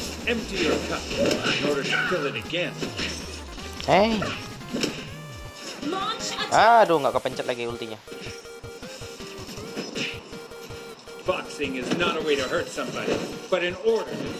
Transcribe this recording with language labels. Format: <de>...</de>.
<en>Empty your cup in order to kill it again. Hey.</en> <id>Aduh, enggak kepencet lagi ultinya.</id> <en>Boxing is not a way to hurt somebody, but in order.</en>